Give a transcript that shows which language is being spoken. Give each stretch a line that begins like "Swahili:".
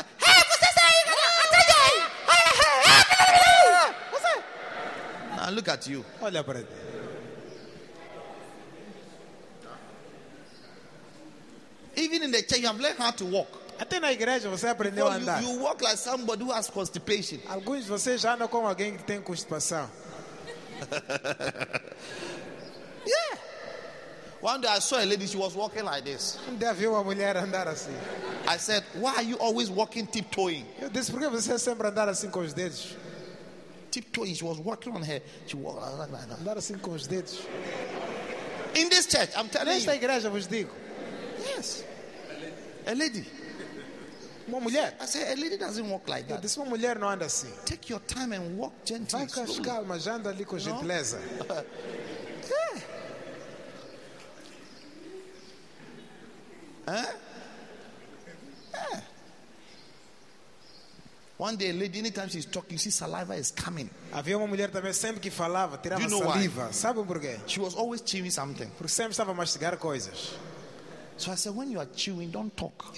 Portuguese: Hey, você sai! Até já! Você!
English: Now look at you.
Portuguese: Olha para ti.
English: Even in the church, you have learned how to walk.
Portuguese: Até na igreja você aprendeu a andar.
English: You walk like somebody who has constipation.
Portuguese: Alguns vocês já andam como alguém que tem constipação.
English: Yeah. One day I saw a lady. She was walking like this.
Portuguese: Um dia vi uma mulher andar assim.
English: I said, "Why are you always walking tiptoeing?"
Portuguese: Eu disse, por que você sempre andar assim com os dedos?
English: Tiptoeing. She was walking on her. She walked like that.
Portuguese: Andar assim com os dedos.
English: In this church, I'm telling
Portuguese: Nesta
English: you.
Portuguese: Nesta igreja vos digo.
English: Yes, a lady.
Portuguese: Uma mulher.
English: I said a lady doesn't walk like that. This
Portuguese: mulher não anda assim.
English: Take your time and walk gently.
Portuguese: Vai com calma, já anda ali com gentileza.
English: One day, a lady, anytime she's talking, she saliva is coming.
Portuguese: Havia uma mulher também sempre que falava tirava saliva. Sabe por quê?
English: She was always chewing something.
Portuguese: Porque sempre estava a mastigar coisas.
English: So I said, when you are chewing, don't talk.